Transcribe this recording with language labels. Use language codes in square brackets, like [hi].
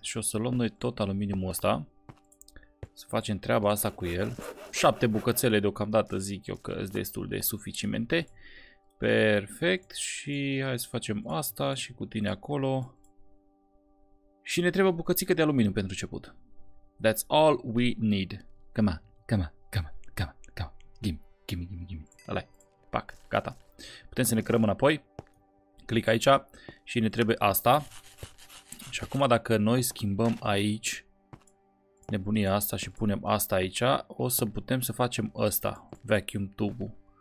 [ro] Și o să luăm noi tot aluminiumul ăsta. Să facem treaba asta cu el. 7 bucățele deocamdată, zic eu, că sunt destul de suficimente. Perfect. Și hai să facem asta și cu tine acolo. Și ne trebuie bucățică de aluminiu pentru început. [en] That's all we need. Come on, come on, come on, come on, come on. Gimme, gimme, gimme, gimme. [ro] Ala-i. Pac, gata. Putem să ne cărăm înapoi. Clic aici și ne trebuie asta. Și acum dacă noi schimbăm aici nebunia asta și punem asta aici, o să putem să facem asta, vacuum tube-ul.